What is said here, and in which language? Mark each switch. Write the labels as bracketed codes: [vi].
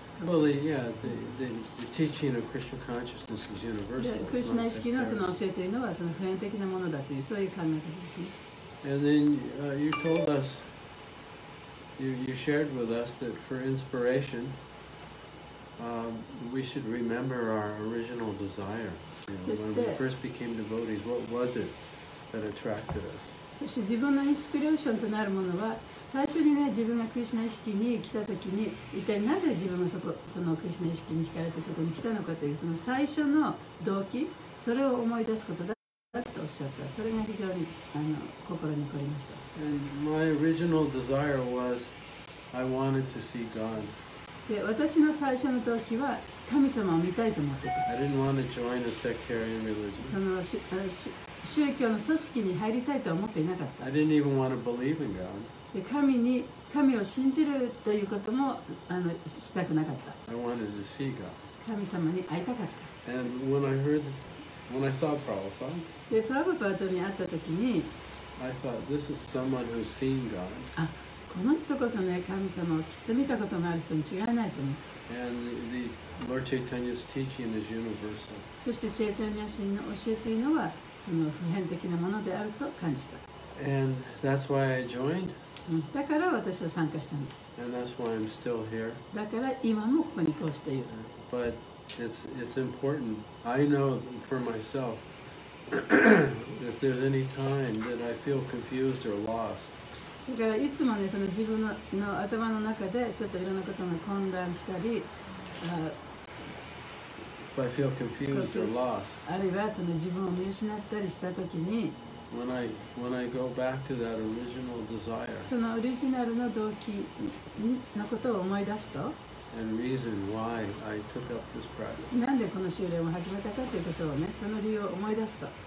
[en] Well, the teaching of Krishna consciousness is universal. [ja] クリシナ意識のその教えというのはその普遍的なものだというそういう考え方ですね。 [en] And then you told us, you shared with us that for inspiration, we should remember our original desire. You know, when we first became devotees, what was it that attracted us? [ja] そして自分のインスピレーションとなるものは最初にね自分がクリシナ意識に来た時に一体なぜ自分がそのクリシナ意識に惹かれてそこに来たのかというその最初の動機それを思い出すことだとおっしゃったそれが非常に心に残りました [en] My original desire was I wanted to see God. [ja] で私の最初の動機は神様を見たいと思ってた [en] I didn't want to join a sectarian religion. [ja] その宗教の組織に入りたいとは思っていなかった。 [en] I didn't even want to believe in God. [ja] で神を信じるということもしたくなかった。 [en] I wanted to see God. [ja] 神様に会いたかった。 [en] And when I saw Prabhupada, [ja] でプラブパートに会った時に、 [en] I thought this is someone who's seen God. [ja] あ、この人こそね神様をきっと見たことがある人に違いないと思う。 [en] And the Lord Chaitanya's teaching is universal. [ja] そしてチェイタニア神の教えというのは。その普遍的なものであると感じた。 [en] And that's why I joined. [ja] だから私は参加したの。 [en] And that's why I'm still here. [ja] だから今もここにこうしている。 [en] But it's important. I know for myself, if there's any time that I feel confused or lost. [ja] だからいつもね、その自分の頭の中でちょっといろんなことが混乱したり、 [en] If I feel confused or lost, [ja] あるいはその自分を見失ったりしたときに [en] when I go back to that original desire, [ja] そのオリジナルの動機のことを思い出すと [en] and reason why I took up this practice, [ja] なんでこの修練を始めたかということをねその理由を思い出すと